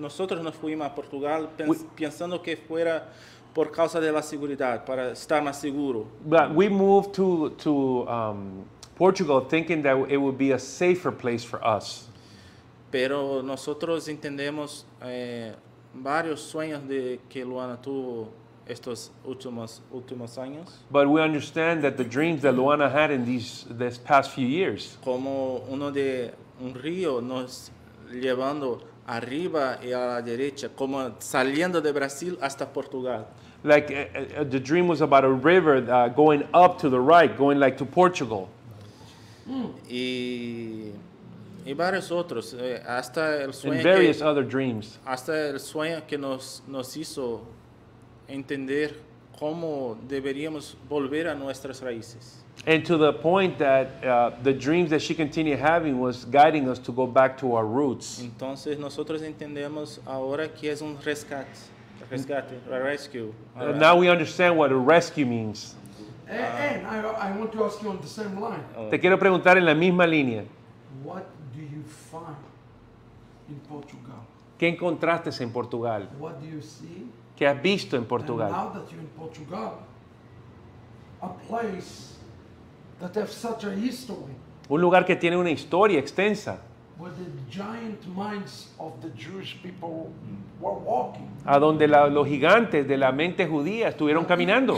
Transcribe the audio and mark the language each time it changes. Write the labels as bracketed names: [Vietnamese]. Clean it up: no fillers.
[Spanish] Nosotros nos fuimos a Portugal pensando que fuera por causa de la seguridad, para estar más seguro. [English] But we moved to Portugal thinking that it would be a safer place for us. [Spanish] Pero nosotros entendemos varios sueños de que Luana tuvo estos últimos años. [English] But we understand that the dreams that Luana had in these past few years. [Spanish] Como uno de un río nos llevando arriba y a la derecha, como saliendo de Brasil hasta Portugal. [English] Like the dream was about a river going up to the right, going like to Portugal. [Spanish] Y varios otros, hasta el sueño. [English] And various other dreams. [Spanish] Hasta el sueño que nos hizo entender cómo deberíamos volver a nuestras raíces. [English] And to the point that the dreams that she continued having was guiding us to go back to our roots. [Spanish] Entonces nosotros entendemos ahora que es un rescate, [English] a rescue. Right. Now we understand what a rescue means. And I want to ask you on the same line. [Spanish] Te quiero preguntar en la misma línea. [English] What do you find in Portugal? [Spanish] ¿Qué encontraste en Portugal? [English] What do you see? [Spanish] ¿Qué has visto en Portugal? [English] And now that you're in Portugal, a place that has such a history. [Spanish] Un lugar que tiene una historia extensa. [English] Where the giant minds of the Jewish people were walking. [Spanish] A donde los gigantes de la mente judía estuvieron caminando.